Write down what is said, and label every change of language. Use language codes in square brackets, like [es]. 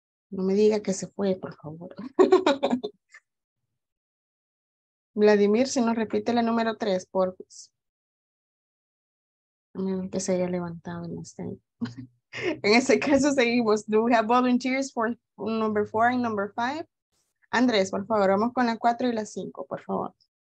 [es] No me diga que se fue, por favor. Vladimir, si nos repite la número 3, por favor. A menos que se haya levantado en este. En ese caso seguimos. [en] Do we have volunteers for number 4 and number 5? [es] Andrés, por favor, vamos con la 4 y la 5, por favor.